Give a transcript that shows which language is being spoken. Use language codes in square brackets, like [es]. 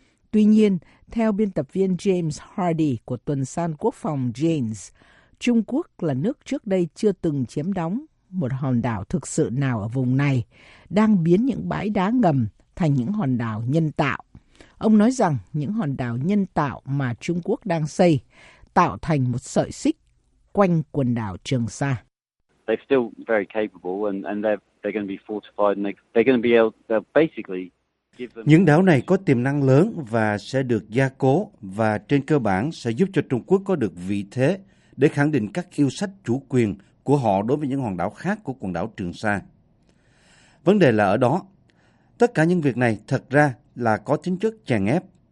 [vi] Tuy nhiên, theo biên tập viên James Hardy của tuần san quốc phòng James, Trung Quốc là nước trước đây chưa từng chiếm đóng một hòn đảo thực sự nào ở vùng này, đang biến những bãi đá ngầm thành những hòn đảo nhân tạo. Ông nói rằng những hòn đảo nhân tạo mà Trung Quốc đang xây tạo thành một sợi xích quanh quần đảo Trường Sa. [en] They're still very capable and they're going to be fortified and they're going to be able to basically [vi] Những đảo này có tiềm năng lớn và sẽ được gia cố và trên cơ bản sẽ giúp cho Trung Quốc có được vị thế để khẳng định các yêu sách chủ quyền của họ đối với những hòn đảo khác của quần đảo Trường Sa. Vấn đề là ở đó, tất cả những việc này thật ra là có tính chất chèn ép.